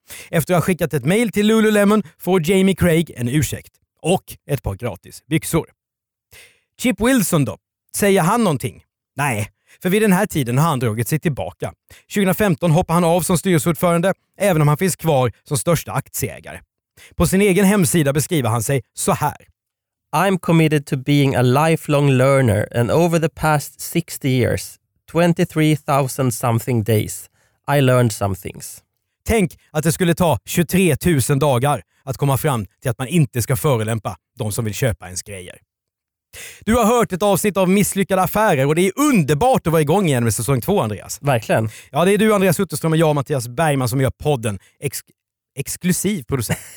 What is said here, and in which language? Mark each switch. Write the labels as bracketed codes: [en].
[sv] Efter att ha skickat ett mejl till Lululemon får Jamie Craig en ursäkt och ett par gratis byxor. Chip Wilson då? Säger han någonting? Nej, För vid den här tiden har han dragit sig tillbaka. 2015 hoppar han av som styrelseordförande, även om han finns kvar som största aktieägare. På sin egen hemsida beskriver han sig så här: [en] I'm committed to being a lifelong learner and over the past 60 years, 23,000 something days, I learned some things. [sv] Tänk att det skulle ta 23 000 dagar att komma fram till att man inte ska förelämpa de som vill köpa ens grejer. Du har hört ett avsnitt av Misslyckade affärer och det är underbart att vara igång igen med säsong 2, Andreas. Verkligen. Ja, det är du, Andreas Utterström, och jag, Mattias Bergman, som gör podden. Exklusiv producent.